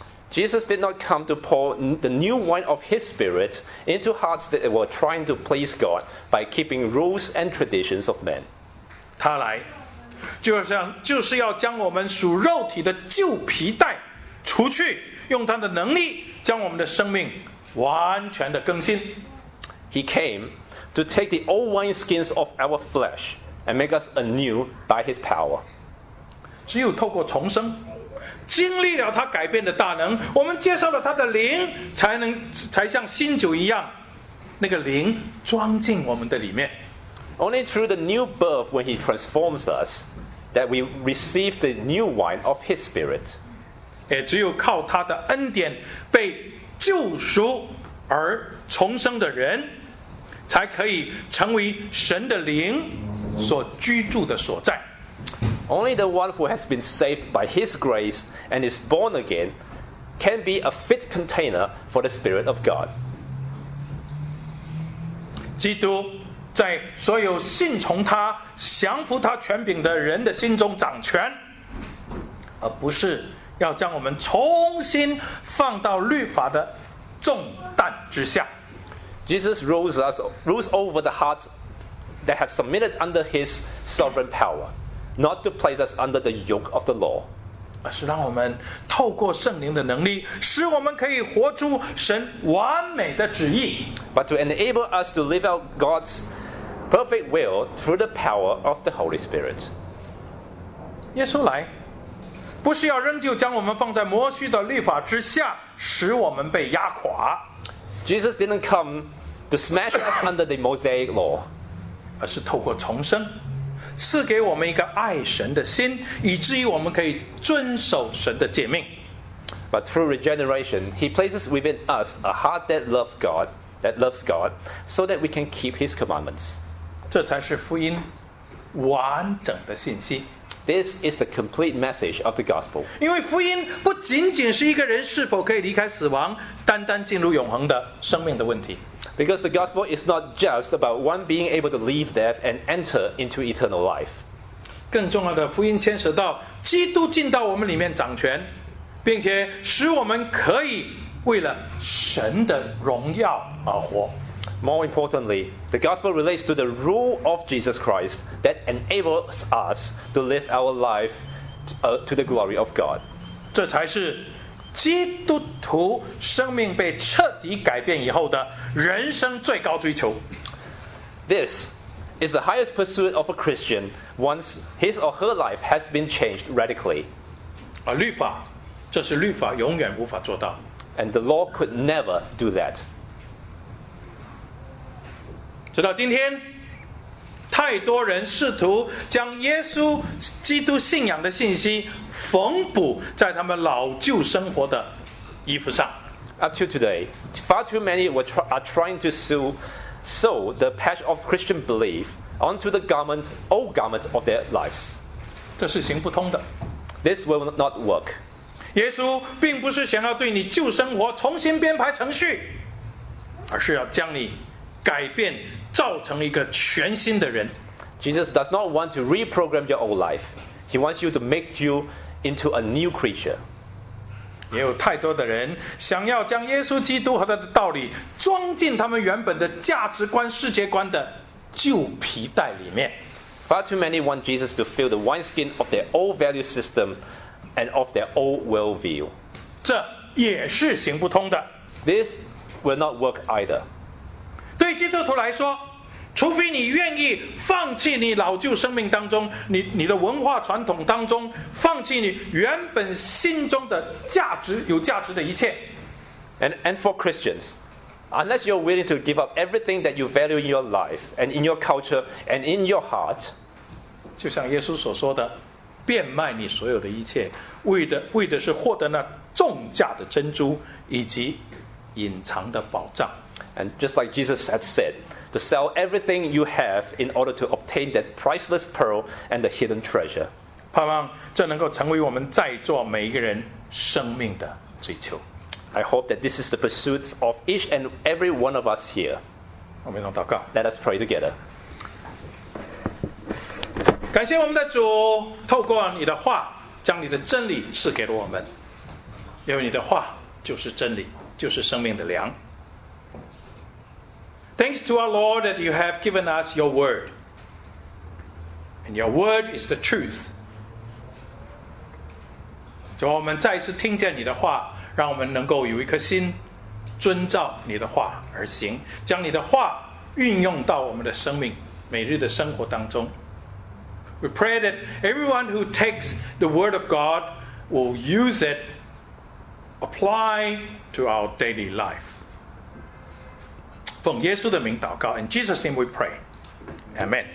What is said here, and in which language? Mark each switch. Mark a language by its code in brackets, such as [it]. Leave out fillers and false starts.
[en] Jesus did not come to pour the new wine of his spirit into hearts that were trying to please God by keeping rules and traditions of men. [zh] 他来就是要将我们属肉体的旧皮带除去，用他的能力将我们的生命完全的更新。 [en] He cameto take the old wineskins of our flesh and make us anew by his power. [zh] 只有透过重生，经历了他改变的大能，我们接受了他的灵，才像新酒一样，那个灵装进我们的里面。 [en] Only through the new birth when he transforms us that we receive the new wine of his spirit. [zh] 也只有靠他的恩典被救赎而重生的人才可以成为神的灵所居住的所在。 [en] Only the one who has been saved by his grace and is born again can be a fit container for the Spirit of God. [zh] 基督在所有信从他、降服他权柄的人的心中掌权，而不是要将我们重新放到律法的重担之下。 [en] Jesus rules over the hearts that have submitted under his sovereign power, not to place us under the yoke of the law. [zh] 是让我们透过圣灵的能力，使我们可以活出神完美的旨意。 [en] But to enable us to live out God's perfect will through the power of the Holy Spirit. [zh] 耶稣来，不是要仍旧将我们放在摩西的律法之下，使我们被压垮。 [en] Jesus didn't come to smash us under the Mosaic law, [zh] 而是透过重生，赐给我们一个爱神的心，以至于我们可以遵守神的诫命。 [en] But through regeneration, he places within us a heart that loves God that loves God, so that we can keep His commandments. [zh] 这才是福音完整的信息。 [en] This is the complete message of the gospel. [zh] 因为福音不仅仅是一个人是否可以离开死亡，单单进入永恒的生命的问题。 [en] Because the gospel is not just about one being able to leave death and enter into eternal life. [zh] 更重要的，福音牵涉到基督进到我们里面掌权，并且使我们可以为了神的荣耀而活。 [en] More importantly, the gospel relates to the rule of Jesus Christ that enables us to live our life to the glory of God. [zh] 这才是基督徒生命被彻底改变以后的人生最高追求。 [en] This is the highest pursuit of a Christian once his or her life has been changed radically. [zh] 律法，这是律法永远无法做到。 [en] And the law could never do that. [zh] 直到今天，太多人试图将耶稣基督信仰的信息缝补在他们老旧生活的衣服上。 [en] Up to today, far too many are trying to sew the patch of Christian belief onto the garment, old garment of their lives. [zh] 这是行不通的。 [en] This will not work. [zh] 耶稣并不是想要对你旧生活重新编排程序，而是要将你改变，造成一个全新的人。 [en] Jesus does not want to reprogram your old life. He wants you to make you into a new creature. [zh] 也有太多的人想要将耶稣基督和他的道理装进他们原本的价值观、世界观的旧皮带里面。 [en] Far too many want Jesus to fill the wineskin of their old value system and of their old worldview. [zh] 这也是行不通的。 [en] This will not work either. [zh] 对基督徒来说，除非你愿意放弃你老旧生命当中 你的文化传统当中，放弃你原本心中的价值，有价值的一切。 [en] And for Christians, unless you're willing to give up everything that you value in your life and in your culture and in your heart, [zh] 就像耶稣所说的，变卖你所有的一切，为的是获得那重价的珍珠以及隐藏的宝藏。 [en] And just like Jesus had said, to sell everything you have in order to obtain that priceless pearl and the hidden treasure. [zh] 盼望这能够成为我们在座每一个人生命的追求。 [en] I hope that this is the pursuit of each and every one of us here. [zh] 我们一同祷告。 [en] Let us pray together. [zh] 感谢我们的主，透过你的话，将你的真理赐给了我们。因为你的话就是真理，就是生命的粮。 [en] Thanks to our Lord that you have given us your word. And your word is the truth. [zh] 主，我们再一次听见你的话，让我们能够有一颗心遵照你的话而行，将你的话运用到我们的生命每日的生活当中。 [en] We pray that everyone who takes the word of God will use it, apply to our daily life. [zh] 奉耶稣的名祷告, [en] in Jesus' name we pray. Amen.